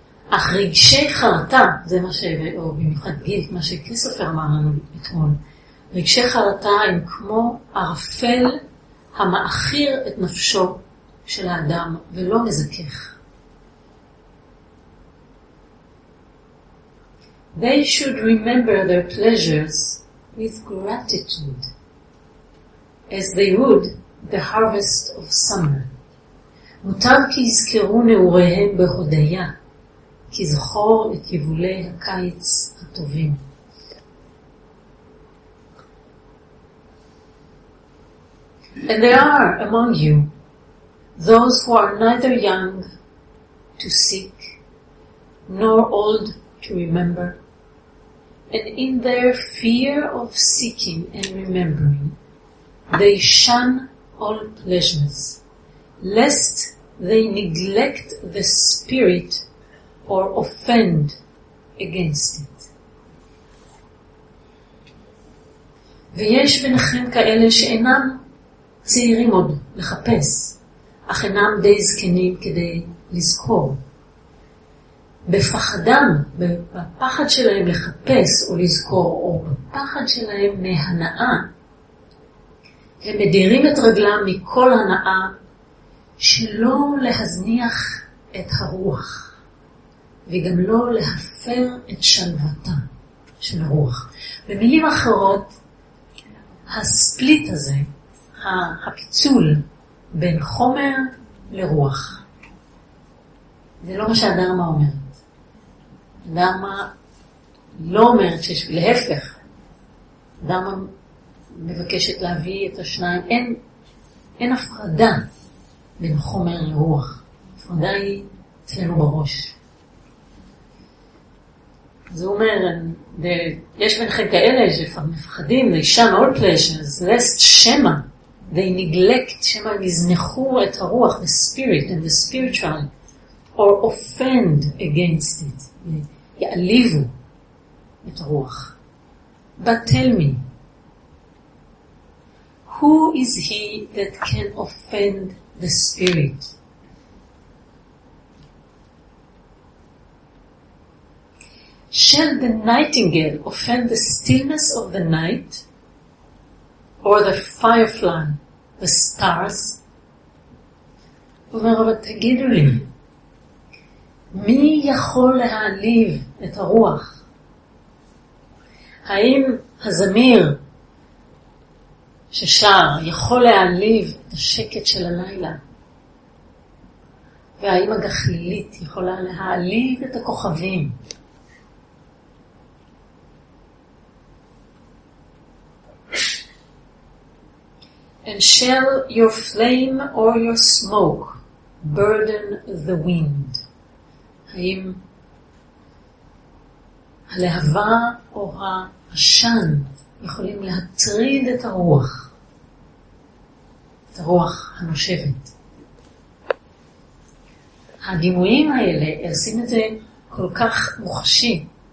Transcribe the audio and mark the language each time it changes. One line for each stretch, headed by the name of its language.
Hebrew: אך רגשי חרטה, זה מה ש... או במיוחד גיל, מה שכריסטופר אמר לנו אתמול, רגשי חרטה הם כמו ערפל המאכיר את נפשו של האדם ולא מזכך.
English: They should remember their pleasures with gratitude, as they would the harvest of summer.
Hebrew: מותר כי יזכרו נעוריהם בהודיה, כי זכור את יבולי הקיץ הטובים.
English: And there are among you those who are neither young to seek nor old to remember, and in their fear of seeking and remembering they shun all pleasures, lest they neglect the spirit or offend against it.
Hebrew: ויש ביניכם כאלה שאינם צעירים עוד לחפש, אך אינם די זקנים כדי לזכור. בפחדם, בפחד שלהם לחפש או לזכור, או בפחד שלהם מהנאה, הם מדירים את רגלם מכל הנאה שלא להזניח את הרוח, וגם לא להפר את שלוותה של הרוח. במילים אחרות, הספליט הזה, הפיצול בין חומר לרוח, זה לא מה שהדרמה אומרת. הדרמה לא אומרת שיש, להפך, הדרמה מבקשת להביא את השניים, אין הפרדה בין חומר לרוח. הפרדה היא אצלנו בראש. זה אומר, יש ביניכם כאלה שמפחדים,
English: they shun all pleasures, lest
Hebrew: שמה,
English: they neglect,
Hebrew: שמה הם יזנחו את הרוח,
English: the spirit and the spiritual, or offend against it,
Hebrew: יעליבו את הרוח.
English: But tell me, who is he that can offend the spirit? Shall the nightingale offend the stillness of the night, or the firefly, the stars?
Hebrew: הוא אומר, אבל תגידו לי, מי יכול להעליב את הרוח? האם הזמיר ששר יכול להעליב את השקט של הלילה? והאם הגחלילית יכולה להעליב את הכוכבים?
English: And shall your flame or your smoke burden the wind?
Hebrew: האם הלהבה או העשן יכולים להטריד את הרוח, את הרוח הנושבת? הדימויים האלה עושים את זה כל כך מוחשי.